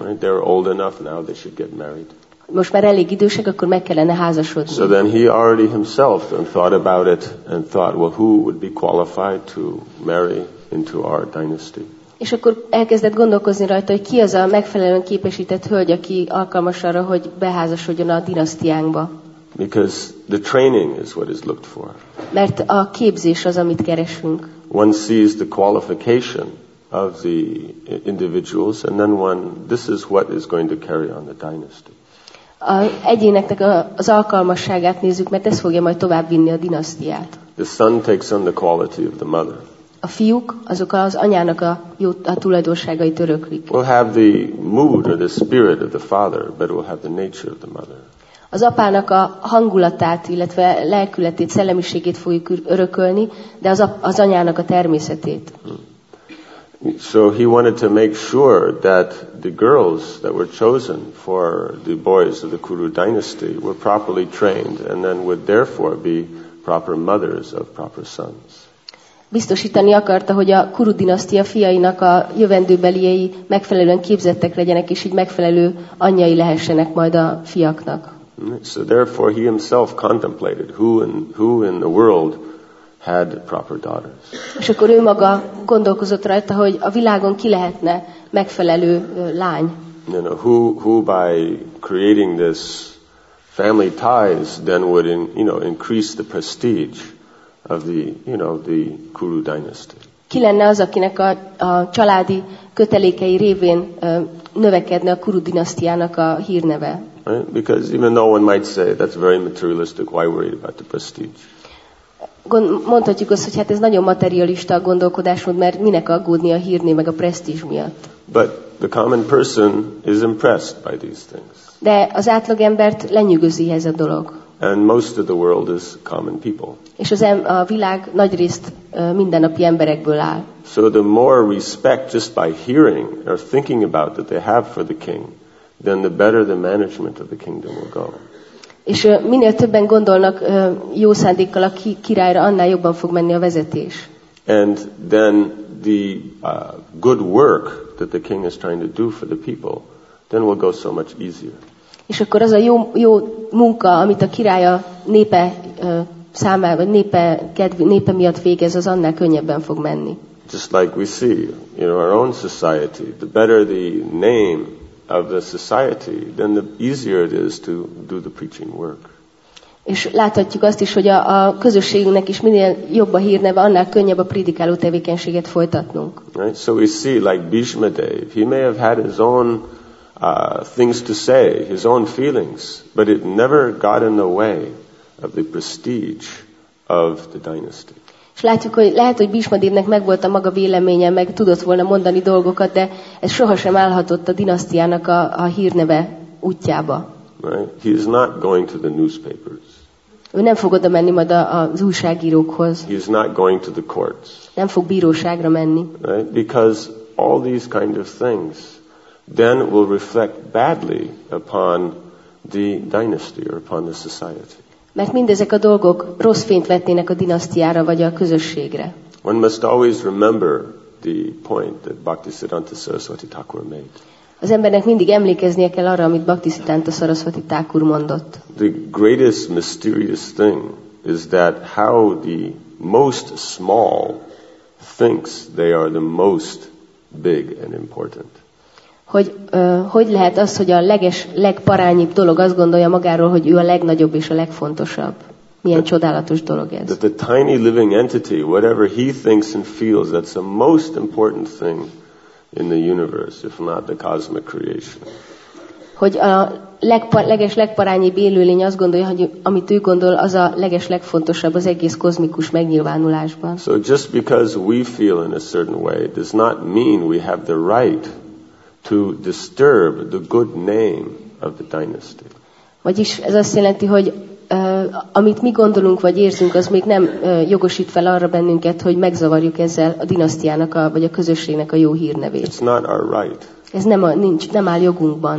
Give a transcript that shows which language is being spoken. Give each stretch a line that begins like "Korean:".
English: Right, they are old enough now, they should get married.
Hungarian: Most már elég idősek, akkor meg kellene házasodni.
English: So then he already himself thought about it and thought, well, who would be qualified to marry into our dynasty?
Hungarian: És akkor elkezdett gondolkozni rajta, hogy ki az a megfelelően képesített hölgy, aki alkalmas arra, hogy beházasodjon a dinasztiánkba.
English: Because the training is what is looked for.
Hungarian: Mert a képzés az, amit keresünk.
English: One sees the qualification of the individuals, and then one, this is what is going to carry on the dynasty.
Hungarian: A egyéneknek az alkalmasságát nézzük, mert ez fogja majd továbbvinni a dinasztiát.
English: The son takes on the quality of the mother.
Hungarian: A fiúk azok az anyának a tulajdonságait öröklik.
English: We'll have the mood or the spirit of the father, but we'll have the nature of the mother.
Hungarian: Az apának a hangulatát, illetve lelkületét, szellemiségét fogjuk örökölni, de az anyának a természetét.
English: So he wanted to make sure that the girls that were chosen for the boys of the Kuru dynasty were properly trained and then would therefore be proper mothers of proper sons.
Hungarian: Biztosítani akarta, hogy a Kuru dinasztia fiainak a jövendőbeliei megfelelően képzettek legyenek, és így megfelelő anyjai lehessenek majd a fiaknak.
English: So therefore he himself contemplated who in the world had proper daughters.
Hungarian: És akkor ő maga gondolkozott rajta, hogy a világon ki lehetne megfelelő lány.
English: Who by creating this family ties then would increase the prestige of the Kuru dynasty.
Hungarian: Ki lenne az, akinek a családi kötelékei révén növekedne a Kuru dinasztiának a hírneve?
English: Right? Because even though one might say that's very materialistic, why worry about the prestige?
Hungarian: Mondhatjuk azt, hogy hát ez nagyon materialista a gondolkodásmód, mert minek aggódni a hírné meg a presztízs miatt.
English: But the common person is impressed by these things.
Hungarian: De az átlag embert lenyűgözi ez a dolog.
English: And most of the world is common people.
Hungarian: És a világ nagy részt mindennapi emberekből áll.
English: So the more respect just by hearing or thinking about that they have for the king, then the better the management of the kingdom will go.
Hungarian: És minél többen gondolnak jó szándékkal a királyra, annál jobban fog menni a vezetés.
English: And then the good work that the king is trying to do for the people, then will go so much easier.
Hungarian: És akkor az a jó munka, amit a király a népe számára, vagy népe miatt végez, az annál könnyebben fog menni.
English: Just like we see in our own society, the better the name of the society, then the easier it is to do the preaching work.
Hungarian: És láthatjuk azt is, hogy a közösségünknek is minél jobb a hírneve, annál könnyebb a prédikáló tevékenységet folytatnunk.
English: Right? So we see, like Bhishma Dev, he may have had his own things to say, his own feelings, but it never got in the way of the prestige of the dynasty.
Hungarian: És látjuk, hogy lehet, hogy Bhishma Devnek megvolt a maga véleménye, meg tudott volna mondani dolgokat, de ez sohasem állhatott a dinasztiának a hírneve útjába.
English: Right? He is not going to the newspapers.
Hungarian: Ő nem fog oda menni majd az újságírókhoz.
English: He is not going to the courts.
Hungarian: Nem fog bíróságra menni.
English: Right? Because all these kind of things then will reflect badly upon the dynasty or upon the society.
Hungarian: Mert mindezek a dolgok rossz fényt vetnének a dinasztiára vagy a közösségre.
English: One must always remember the point that Bhaktisiddhanta Saraswati Thakur made.
Hungarian: Az embernek mindig emlékeznie kell arra, amit Bhaktisiddhanta Saraswati Thakur mondott.
English: The greatest mysterious thing is that how the most small thinks they are the most big and important.
Hungarian: Hogy lehet az, hogy a legparányibb dolog azt gondolja magáról, hogy ő a legnagyobb és a legfontosabb. Milyen csodálatos dolog ez.
English: That the tiny living entity, whatever he thinks and feels, that's the most important thing in the universe, if not the cosmic creation.
Hungarian: Hogy a legparányibb élőlény azt gondolja, hogy amit ő gondol, az a legfontosabb az egész kozmikus megnyilvánulásban.
English: So just because we feel in a certain way does not mean we have the right to disturb the good name of the dynasty.
Hungarian: Vagyis ez azt jelenti, hogy amit mi gondolunk vagy érzünk, az még nem jogosít fel arra bennünket, hogy megzavarjuk ezzel a dinasztiának vagy a közösségnek a jó hírnevét.
English: It's not our right.
Hungarian: Ez nem nem áll jogunkban.